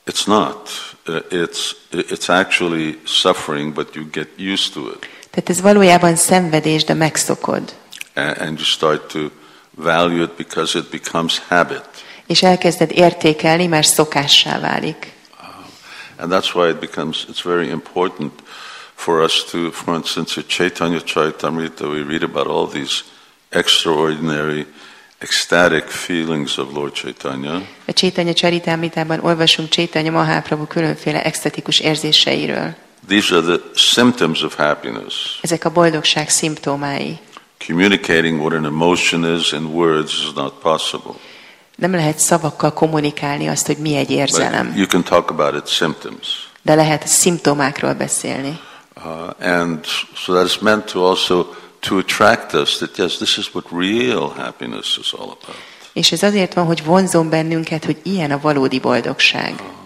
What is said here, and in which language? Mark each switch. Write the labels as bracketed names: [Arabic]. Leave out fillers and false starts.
[English] It's actually suffering, but you get used to it. [Hungarian] Tehát ez valójában szenvedés, de megszokod. [English] And you start to value it because it becomes habit. [Hungarian] És elkezded értékelni, mert szokássá válik. [English] And that's why it's very important for us to, for instance, at Chaitanya Charitamrita, we read about all these extraordinary ecstatic feelings of Lord Chaitanya. [Hungarian] A Chaitanya Charitamritában olvasunk Chaitanya Mahaprabhu különféle extatikus érzéseiről. [English] These are the symptoms of happiness. [Hungarian] Ezek a boldogság szimptomái. [English] Communicating what an emotion is in words is not possible. [Hungarian] Nem lehet szavakkal kommunikálni azt, hogy mi egy érzelem. [English] But you can talk about its symptoms. [Hungarian] De lehet a szimptomákról beszélni. [English] And so that is meant to also to attract us that yes, this is what real happiness is all about. [Hungarian] És ez azért van, hogy vonzom bennünket, hogy ilyen a valódi boldogság.